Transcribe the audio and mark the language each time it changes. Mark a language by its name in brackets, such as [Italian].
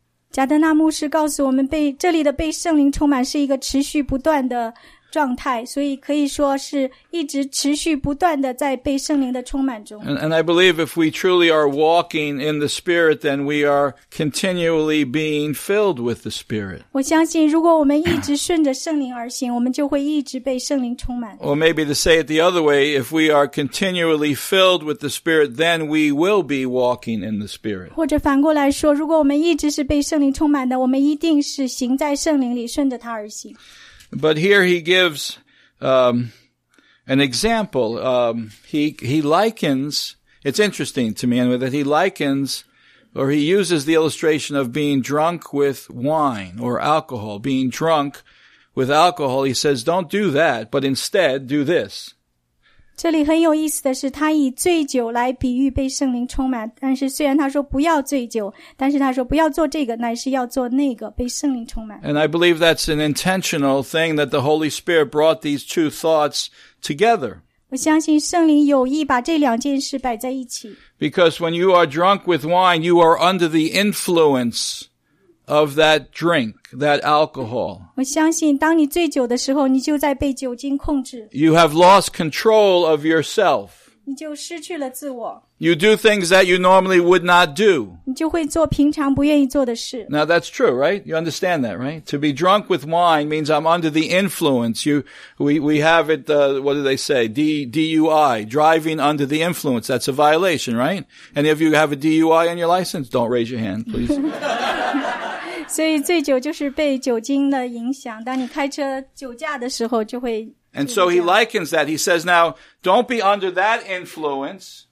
[Chinese] 贾德纳牧师告诉我们被这里的被圣灵充满是一个持续不断的状态所以可以说是一直持续不断的在被圣灵的充满中。 [English] And I believe if we truly are walking in the Spirit, then we are continually being filled with the Spirit. [Chinese] 我相信如果我们一直顺着圣灵而行我们就会一直被圣灵充满。 [English] Or maybe to say it the other way, if we are continually filled with the Spirit, then we will be walking in the Spirit. [Chinese] 或者反过来说如果我们一直是被圣灵充满的我们一定是行在圣灵里顺着他而行。 [English] But here he gives an example. He likens, it's interesting to me, that he likens or he uses the illustration of being drunk with wine or alcohol. Being drunk with alcohol, he says, don't do that, but instead do this. [Chinese] 这里很有意思的是他以醉酒来比喻被圣灵充满。但是虽然他说不要醉酒但是他说不要做这个乃是要做那个被圣灵充满。 [English] And I believe that's an intentional thing that the Holy Spirit brought these two thoughts together. [Chinese] 我相信圣灵有意把这两件事摆在一起。 [English] Because when you are drunk with wine, you are under the influence of that drink, that alcohol. [Chinese] 我相信当你醉酒的时候你就在被酒精控制。 [English] You have lost control of yourself. [Chinese] 你就失去了自我。 [English] You do things that you normally would not do. [Chinese] 你就会做平常不愿意做的事。 [English] Now that's true, right? You understand that, right? To be drunk with wine means I'm under the influence. We have it, what do they say? DUI, driving under the influence. That's a violation, right? Any of you have a DUI on your license? Don't raise your hand, please. [Chinese] 所以醉酒就是被酒精的影响当你开车酒驾的时候就会 [English] And so he likens that. He says now, don't be under that influence.